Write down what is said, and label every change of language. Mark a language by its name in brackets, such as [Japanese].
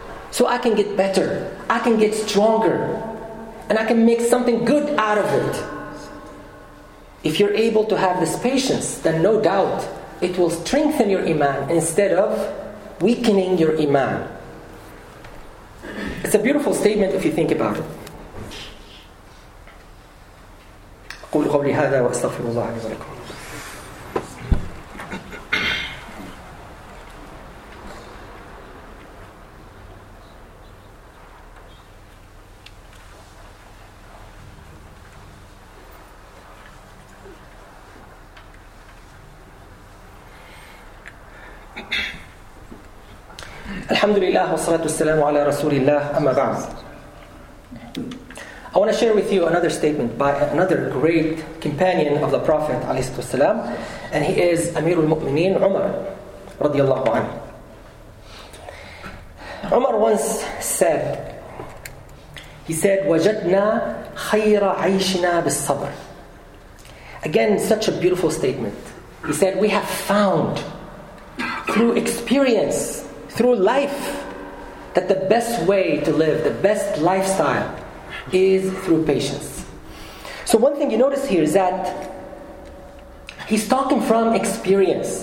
[English] So I can get better, I can get stronger, and I can make something good out of it. If you're able to have this patience, then no doubt it will strengthen your iman instead of weakening your iman. It's a beautiful statement if you think about it. [Arabic] أقول قولي هذا وأستغفر الله عز وجل. الحمد لله والصلاة والسلام على رسول الله أما بعد. [English] I want to share with you another statement by another great companion of the Prophet ﷺ, and he is Amir al-Mu'mineen Umar radiallahu anhu. Umar once said, He said, [Arabic] وَجَدْنَا خَيْرَ عَيْشِنَا بِالصَّبْرِ. [English] Again, such a beautiful statement. He said, we have found through experience, through life, that the best way to live, the best lifestyle, is through patience. So one thing you notice here is that he's talking from experience.